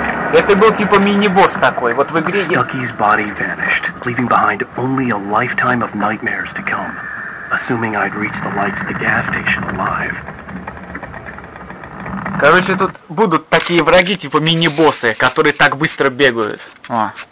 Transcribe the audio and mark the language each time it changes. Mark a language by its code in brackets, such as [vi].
[ru] Это был типа мини-босс такой, вот в игре... [en] Stucky's body vanished, leaving behind only a lifetime of nightmares to come. Assuming I'd reach the lights at the gas station alive. [ru] Короче, тут будут такие враги, типа мини-боссы, которые так быстро бегают. О.